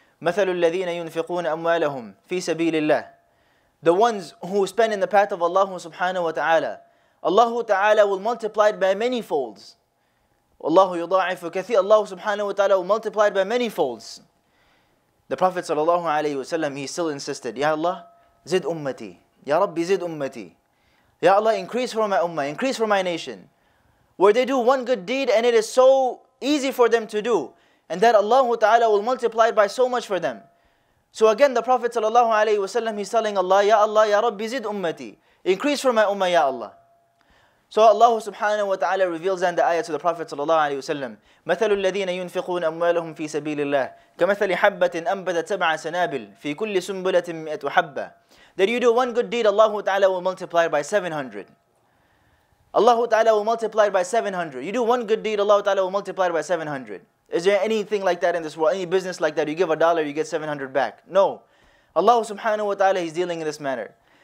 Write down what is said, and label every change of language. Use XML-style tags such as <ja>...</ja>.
<ar>مثل الذين ينفقون أموالهم في سبيل الله.</ar> <en>The ones who spend in the path of Allah subhanahu wa ta'ala, Allah ta'ala will multiply it by many folds.</en> <ar>Allah yudha'ifu kathir,</ar> <en>Allah subhanahu wa ta'ala will multiply it by many folds. The Prophet sallallahu alayhi wa sallam, he still insisted,</en> <ar>Ya Allah, zid ummati. Ya Rabbi, zid ummati. Ya Allah,</ar> <en>increase for my ummah, increase for my nation. Where they do one good deed and it is so easy for them to do, and that Allah ta'ala will multiply it by so much for them. So again, the Prophet sallallahu alayhi wa sallam, he's telling Allah,</en> <ar>Ya Allah, Ya Rabbi, zid ummati.</ar> <en>Increase for my ummah,</en> <ar>Ya Allah.</ar> <en>So Allah subhanahu wa ta'ala reveals in the ayah to the Prophet sallallahu alayhi wa sallam,</en> <ar>مَثَلُ الَّذِينَ يُنْفِقُونَ أَمْوَالَهُمْ فِي سَبِيلِ اللَّهِ كَمَثَلِ حَبَّةٍ أَنْبَتَتْ سَبْعَ سَنَابِلْ فِي كُلِّ سُنْبُلَةٍ مِئَةُ حَبَّةٍ.</ar> <en>That you do one good deed, Allah ta'ala will multiply it by 700. Allah ta'ala will multiply it by 700. You do one good deed, Allah ta'ala will multiply it by 700. Is there anything like that in this world? Any business like that? You give a dollar, you get 700 back. No. Allah subhanahu wa ta'ala, he's dealing in this manner.</en>